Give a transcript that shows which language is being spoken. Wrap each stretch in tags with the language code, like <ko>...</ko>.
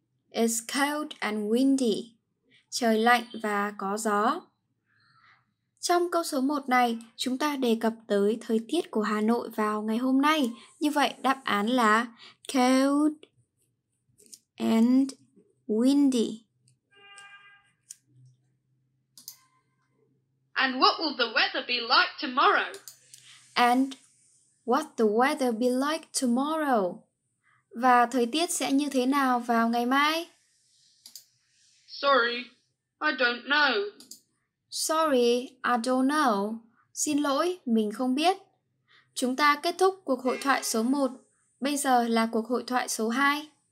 <en>It's cold and windy.</en> <vi>Trời lạnh và có gió. Trong câu số 1 này, chúng ta đề cập tới thời tiết của Hà Nội vào ngày hôm nay. Như vậy, đáp án là cold and windy.</vi> <en>And what will the weather be like tomorrow? And what the weather be like tomorrow?</en> <vi>Và thời tiết sẽ như thế nào vào ngày mai?</vi> <en>Sorry, I don't know. Sorry, I don't know.</en> <vi>Xin lỗi, mình không biết. Chúng ta kết thúc cuộc hội thoại số 1. Bây giờ là cuộc hội thoại số 2.</vi>